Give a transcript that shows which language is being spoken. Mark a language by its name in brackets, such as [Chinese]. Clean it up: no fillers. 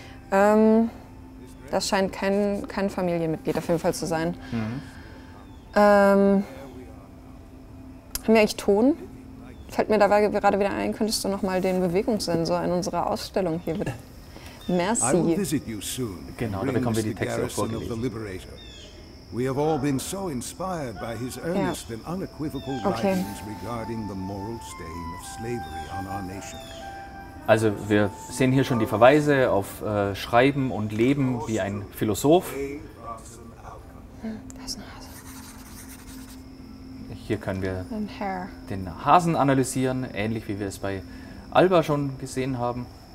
[German] Das scheint kein Familienmitglied auf jeden Fall zu sein. Haben wir eigentlich Ton? Fällt mir dabei gerade wieder ein, könntest du noch mal den Bewegungssensor in unserer Ausstellung hier bitte? [French] Merci. [English] I will visit you soon. [German] Genau, da bekommen wir die Texte vorgelesen. [English] We have all been so inspired by his earnest and unequivocal writings regarding the moral stain of slavery on our nation. [German] Also wir sehen hier schon die Verweise auf Schreiben und Leben wie ein Philosoph. Da ist ein Hase. Hier können wir den Hasen analysieren, ähnlich wie wir es bei Alba schon gesehen haben.